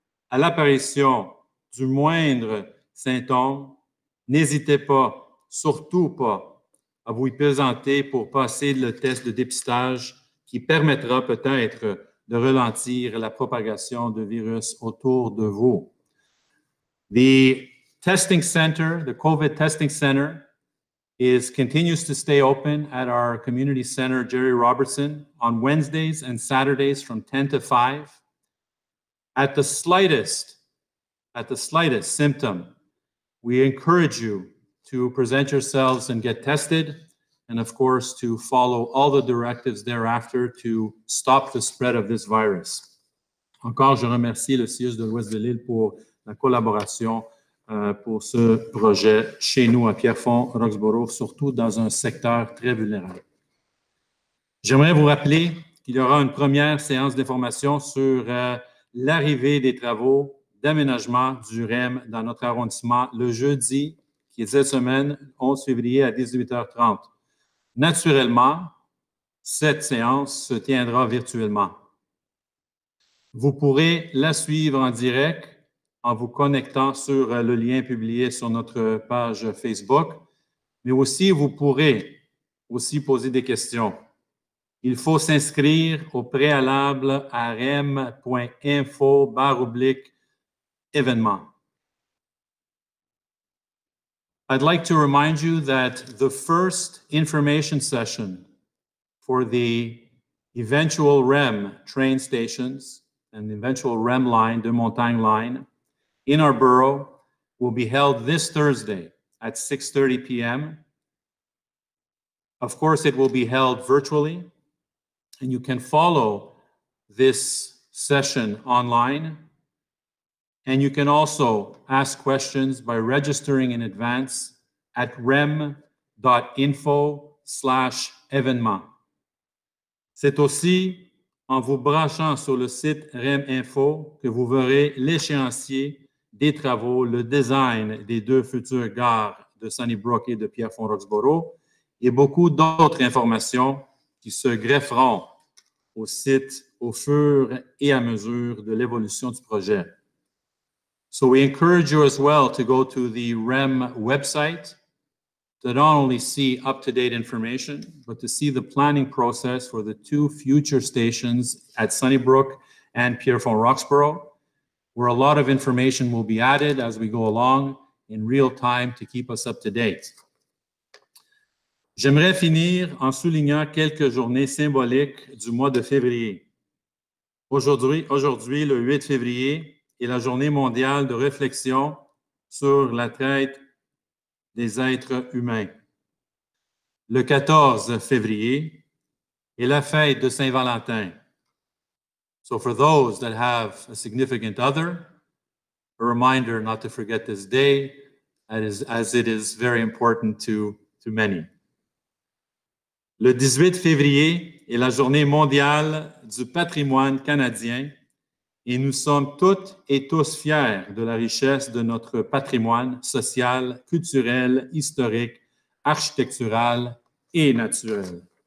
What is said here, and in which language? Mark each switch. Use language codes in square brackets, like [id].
[fr] À l'apparition du moindre symptôme, n'hésitez pas, surtout pas, à vous y présenter pour passer le test de dépistage qui permettra peut-être de ralentir la propagation de virus autour de vous. [en] The testing center, the COVID testing center, continues to stay open at our community center, Jerry Robertson, on Wednesdays and Saturdays from 10 to 5. At the slightest symptom, we encourage you to present yourselves and get tested, and of course, to follow all the directives thereafter to stop the spread of this virus. [fr] Encore, je remercie le CIUS de l'Ouest de Lille pour la collaboration pour ce projet chez nous à Pierrefonds-Roxboro, surtout dans un secteur très vulnérable. J'aimerais vous rappeler qu'il y aura une première séance d'information sur l'arrivée des travaux d'aménagement du REM dans notre arrondissement le jeudi, qui est cette semaine, 11 février à 18h30. Naturellement, cette séance se tiendra virtuellement. Vous pourrez la suivre en direct en vous connectant sur le lien publié sur notre page Facebook, mais aussi vous pourrez aussi poser des questions. Il faut s'inscrire au préalable à rem.info/événement. [en] I'd like to remind you that the first information session for the eventual REM train stations and the eventual REM line, the Montagne line, in our borough will be held this Thursday at 6:30 p.m. Of course, it will be held virtually, and you can follow this session online. And you can also ask questions by registering in advance at rem.info/événement. [fr] C'est aussi en vous branchant sur le site REM Info que vous verrez l'échéancier des travaux, le design des deux futures gares de Sunnybrook et de Pierrefonds-Roxboro et beaucoup d'autres informations qui se grefferont au site au fur et à mesure de l'évolution du projet. [en] So we encourage you as well to go to the REM website, to not only see up-to-date information, but to see the planning process for the two future stations at Sunnybrook and Pierrefonds-Roxborough, where a lot of information will be added as we go along in real time to keep us up to date. [fr] J'aimerais finir en soulignant quelques journées symboliques du mois de février. Aujourd'hui, le 8 février, est la journée mondiale de réflexion sur la traite des êtres humains. Le 14 février est la fête de Saint-Valentin. [en] So for those that have a significant other, a reminder not to forget this day, as it is very important to many. [fr] Le 18 février est la journée mondiale du patrimoine canadien et nous sommes toutes et tous fiers de la richesse de notre patrimoine social, culturel, historique, architectural et naturel.